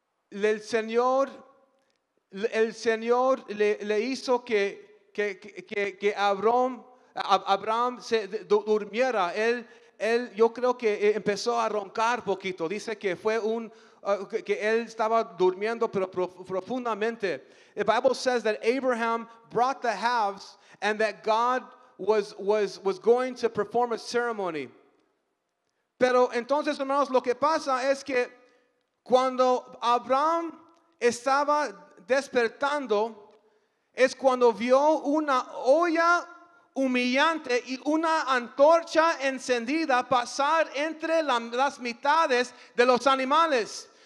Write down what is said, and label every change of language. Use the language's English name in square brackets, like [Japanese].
[Spanish] El Señor le hizo que Abraham se durmiera. Él yo creo que empezó a roncar poquito. Dice que fue que él estaba durmiendo, pero profundamente. [English] The Bible says that Abraham brought the halves and that God was going to perform a ceremony. [Spanish] Pero entonces, hermanos, lo que pasa es que cuando Abraham estaba despertando, es cuando vio una olla humillante y una antorcha encendida pasar entre las mitades de los animales.